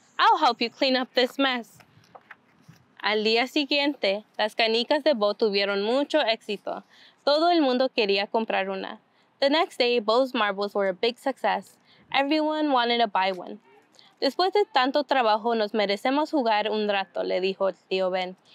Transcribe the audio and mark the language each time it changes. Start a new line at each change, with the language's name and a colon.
English: I'll help you clean up this mess.
Spanish: Al día siguiente, las canicas de Bo tuvieron mucho éxito. Todo el mundo quería comprar una.
English: The next day, Bo's marbles were a big success. Everyone wanted to buy one.
Spanish: Después de tanto trabajo, nos merecemos jugar un rato, le dijo tío Ben.